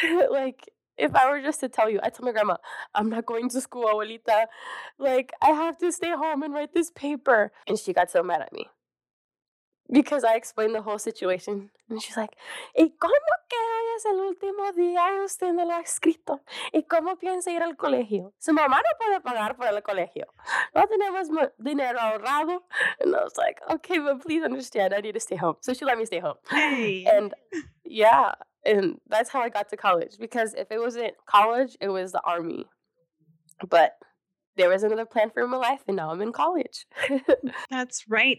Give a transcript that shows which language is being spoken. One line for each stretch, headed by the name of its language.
English: Like, if I were just to tell you, I tell my grandma, I'm not going to school, abuelita. Like, I have to stay home and write this paper. And she got so mad at me because I explained the whole situation.
Spanish: And she's like, ¿Y cómo que hoy es el último día y usted no lo ha escrito? ¿Y cómo piensa ir al colegio? Su mamá no puede pagar por el colegio. No tenemos dinero ahorrado.
English: And I was like, okay, but please understand, I need to stay home. So she let me stay home. Hey. And yeah. And that's how I got to college, because if it wasn't college, it was the army. But there was another plan for my life, and now I'm in college. That's right.